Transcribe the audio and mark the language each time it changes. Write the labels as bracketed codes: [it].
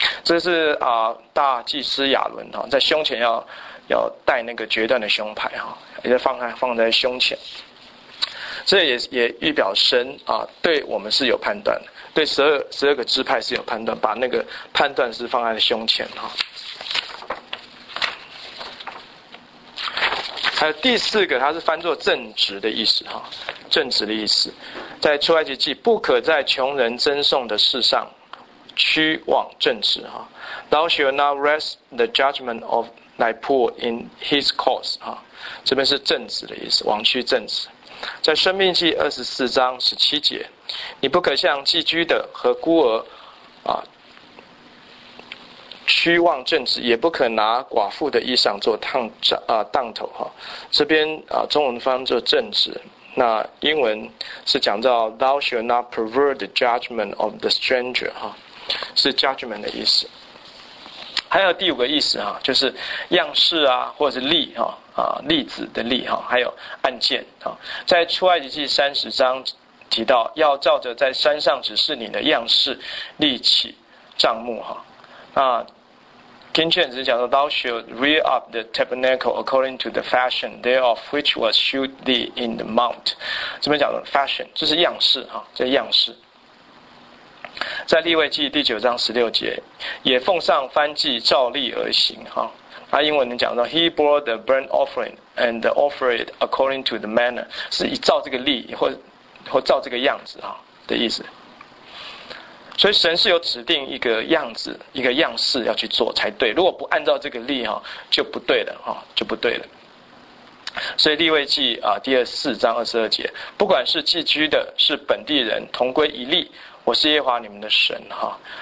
[zh] 这是大祭司亚伦啊，在胸前要戴那个决断的胸牌哈，也放在胸前，这也预表神啊，对我们是有判断的，对十二个支派是有判断，把那个判断是放在胸前哈。还有第四个，它是翻作正直的意思哈，正直的意思，在出埃及记，不可在穷人争讼的事上屈枉正直哈。 [en] Thou shalt not rest the judgment of thy poor in his cause 哈， [zh] 这边是正直的意思，枉屈正直。在生命记二十四章十七节，你不可向寄居的和孤儿啊屈枉正直，也不可拿寡妇的衣裳做当头哈。这边中文翻作正直，那英文是讲到 [en] thou shalt not pervert the judgment of the stranger [zh] 哈。是 judgment 的意思。还有第五个意思啊，就是样式啊，或者是例啊，例子的例啊，还有案件啊。在出埃及记三十章提到，要照着在山上指示你的样式立起帐幕啊。那 [en] King James [zh] 讲说 [en] ，Thou shalt rear up the tabernacle according to the fashion thereof which was shewed thee in the mount。 [zh] 这边讲的 fashion， 这是样式啊，这是样式。在利未记第九章十六节，也奉上燔祭，照例而行。哈，他英文能讲到 [en] ，He brought the burnt offering and offered it according to the manner， [zh] 是以照这个例或照这个样子哈的意思。所以神是有指定一个样子、一个样式要去做才对。如果不按照这个例哈，就不对了哈，就不对了。所以利未记第二四章二十二节，不管是寄居的，是本地人，同归一例。我是耶和华你们的神哈，